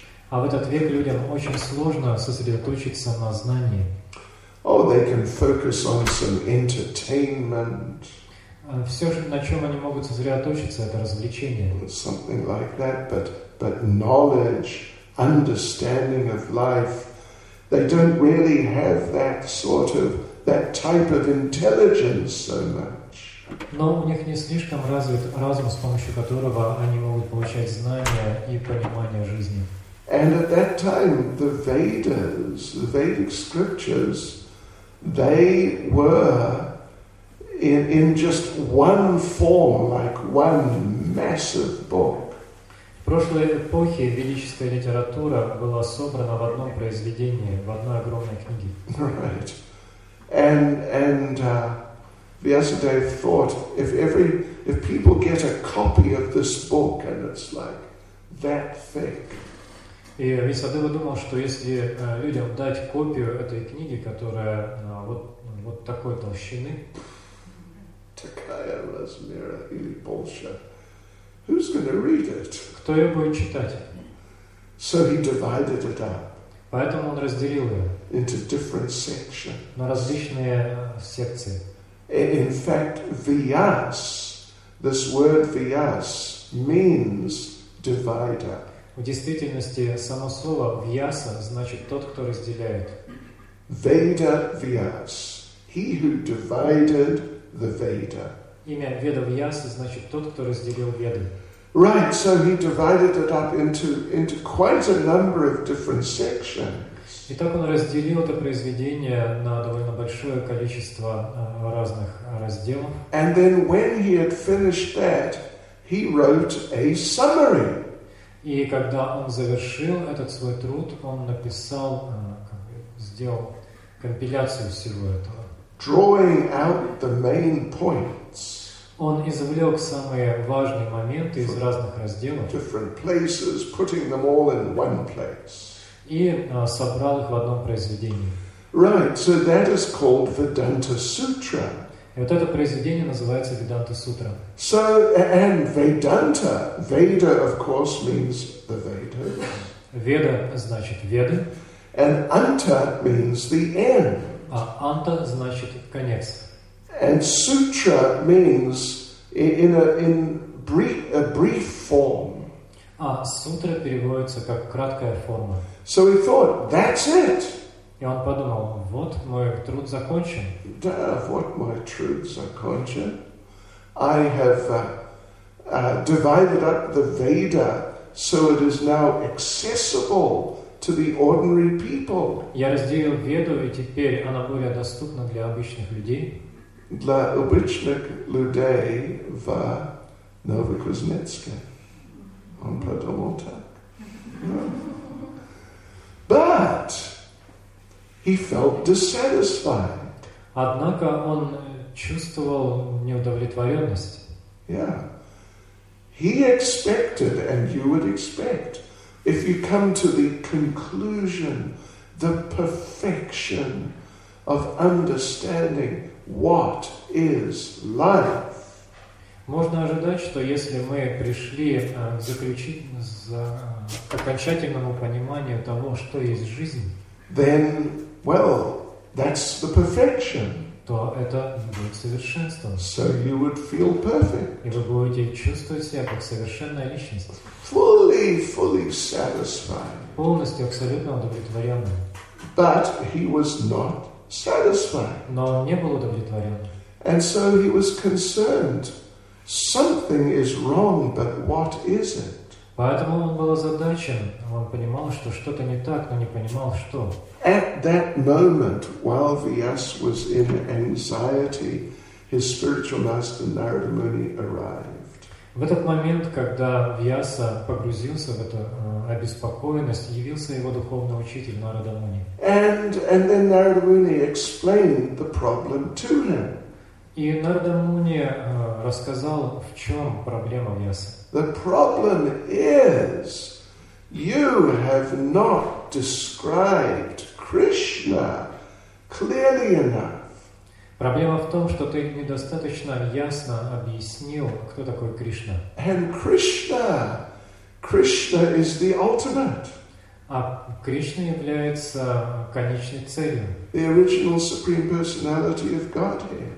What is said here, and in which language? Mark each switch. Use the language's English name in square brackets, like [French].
[Russian] А в этот век людям очень сложно сосредоточиться на знании. [English] Oh, they can focus on some entertainment. [Russian] Все, на чем они могут сосредоточиться, это развлечение. [English] Something like that, but knowledge, understanding of life, they don't really have that type of intelligence so much. [Russian] Но у них не слишком развит разум, с помощью которого они могут получать знания и понимание жизни. [English] And at that time, the Vedas, the Vedic scriptures, they were in just one form, like one massive book. [Russian] В прошлой эпохе ведическая литература была собрана в одном произведении, в одной огромной книге. [English] Right. And Vyasadeva thought, if people get a copy of this book and it's like that thick. [Russian] И Висадева думал, что если людям дать копию этой книги, которая вот такой толщины, такая размера или больше, [English] who's going to read it? [Russian] Кто ее будет читать? [English] So he divided it up. [Russian] Поэтому он разделил ее [English] into different sections. [Russian] На различные секции. [English] In fact, Vyas, this word Vyas means divider. [Russian] В действительности, само слово «вьяса» значит «тот, кто разделяет». [English] Veda Vyas. He who divided the Veda. [Russian] Имя Веда Вьяса значит «тот, кто разделил Веды». [English] Right, so he divided it up into quite a number of different sections. [Russian] Итак, он разделил это произведение на довольно большое количество разных разделов. [English] And then when he had finished that, he wrote a summary. [Russian] И когда он завершил этот свой труд, он написал, сделал компиляцию всего этого. [English] Drawing out the main points. [Russian] Он извлек самые важные моменты из разных разделов. [English] Different places, putting them all in one place. [Russian] И собрал их в одном произведении. [English] Right, so that is called Vedanta Sutra. [Russian] И вот это произведение называется Vedanta Sutra. [English] So, and Vedanta, Veda, of course, means the Veda. [Russian] Veda значит Веды. [English] And Anta means the end. [Russian] А Anta значит конец. [English] And Sutra means in a brief form. [Russian] А Sutra переводится как краткая форма. [English] So he thought, that's it. [Russian] И он подумал, вот мой труд закончен. Да, вот мой труд закончен. [English] I have divided up the Veda, so it is now accessible to the ordinary people. [Russian] Я разделил Веду, и теперь она более доступна для обычных людей. Для обычных людей в Новокузнецке. Он подумал так. [English] But he felt dissatisfied. [Russian] Однако он чувствовал неудовлетворенность. [English] Yeah. He expected, and you would expect, if you come to the conclusion, the perfection of understanding what is life. [Russian] Можно ожидать, что если мы пришли к окончательному пониманию того, что есть жизнь, [English] then, well, that's the perfection. [Russian] то это будет совершенством. [English] So you would feel perfect. [Russian] И вы будете чувствовать себя как совершенная личность. [English] Fully satisfied. [Russian] Полностью, абсолютно удовлетворенным. [English] But he was not satisfied. [Russian] Но он не был удовлетворен. [English] And so he was concerned. Something is wrong, but what is it? [Russian] Поэтому он был озадачен. Он понимал, что что-то не так, но не понимал, что. [English] At that moment, while Vyas was in anxiety, his spiritual master Narada Muni arrived. [Russian] В этот момент, когда Вьяса погрузился в эту обеспокоенность, явился его духовный учитель Нарада Муни. [English] And then Narada Muni explained the problem to him. [Russian] И Нарада Муни рассказал, в чем проблема Вьясы. [English] The problem is, you have not described Krishna clearly enough. [Russian] Проблема в том, что ты недостаточно ясно объяснил, кто такой Кришна. [English] And Krishna is the ultimate. [Russian] А Кришна является конечной целью. [English] The original Supreme Personality of Godhead.